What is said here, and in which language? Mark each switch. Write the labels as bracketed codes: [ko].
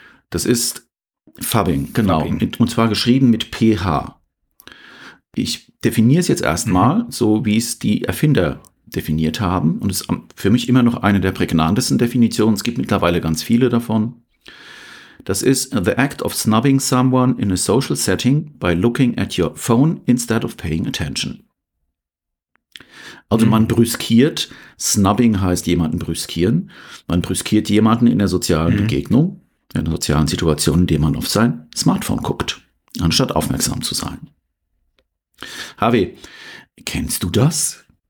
[de] Das ist Fubbing, genau. Fubbing. Und zwar geschrieben mit PH. Ich definiere es jetzt erstmal so, wie es die Erfinder definiert haben und ist für mich immer noch eine der prägnantesten Definitionen. Es gibt mittlerweile ganz viele davon. Das ist [en] the act of snubbing someone in a social setting by looking at your phone instead of paying attention. [de] Also man brüskiert, snubbing heißt jemanden brüskieren, man brüskiert jemanden in der sozialen Begegnung, in einer sozialen Situation, in der man auf sein Smartphone guckt, anstatt aufmerksam zu sein. Harvey, kennst du das?